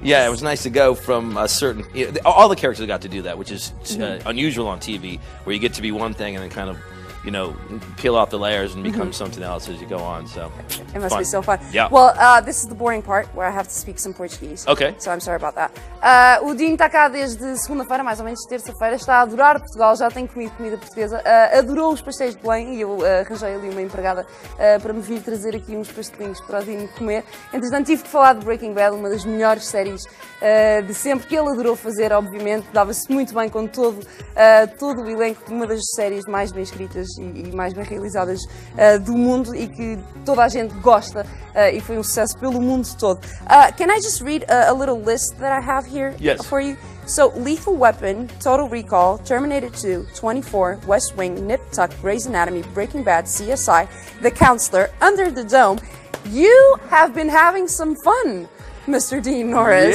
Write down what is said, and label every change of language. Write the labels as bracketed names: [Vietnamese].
[English] Yeah, it was nice to go from a certain, you know, all the characters got to do that, which is unusual on TV, where you get to be one thing and then kind of, you know, peel off the layers and become something else as you go on. So it must be so fun. Yeah. Well, this is the boring part where I have to speak some Portuguese. Okay. So I'm sorry about that. [Portuguese] O Dinho está cá desde segunda-feira, mais ou menos terça-feira. Está a adorar Portugal. Já tem comido comida portuguesa. Adorou os pastéis de Belém e eu arranjei ali uma empregada para me vir trazer aqui uns pastelinhos para o Dinho comer. Entretanto, tive que falar de Breaking Bad, uma das melhores séries de sempre, que ele adorou fazer, obviamente. Dava-se muito bem com todo o elenco, uma das séries mais bem escritas e mais bem realizadas do mundo e que toda a gente gosta e foi um sucesso pelo mundo todo. [English] Can I just read a little list that I have here for you? So, Lethal Weapon, Total Recall, Terminator 2, 24, West Wing, Nip Tuck, Grey's Anatomy, Breaking Bad, CSI, The Counselor, Under the Dome. You have been having some fun, Mr. Dean Norris.